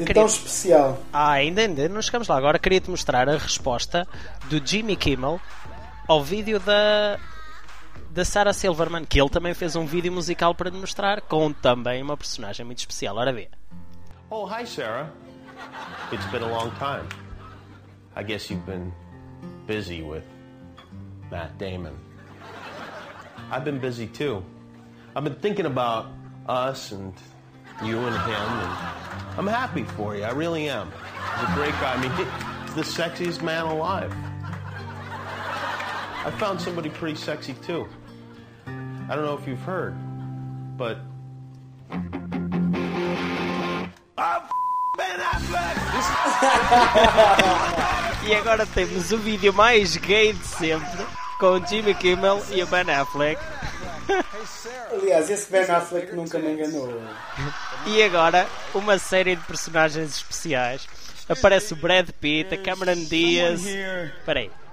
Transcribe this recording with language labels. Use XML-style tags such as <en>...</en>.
<pt>de tão especial? Ah, ainda não chegamos lá. Agora queria-te mostrar a resposta do Jimmy Kimmel ao vídeo da da Sarah Silverman, que ele também fez um vídeo musical para demonstrar, com também uma personagem muito especial. Ora vê.</pt> <en>Oh, hi, Sarah. It's been a long time. I guess you've been busy with Matt Damon. I've been busy too. I've been thinking about us and you and him, and I'm happy for you. I really am. He's a great guy. I mean, he's the sexiest man alive. I found somebody pretty sexy too. I don't know if you've heard, but I'm Ben Affleck.</en> <pt>E agora temos o vídeo mais gay de sempre com Jimmy Kimmel e o Ben Affleck. Aliás, esse Ben Affleck nunca me enganou. E agora uma série de personagens especiais. Aparece o Brad Pitt, a Cameron Diaz. Espera aí.</pt>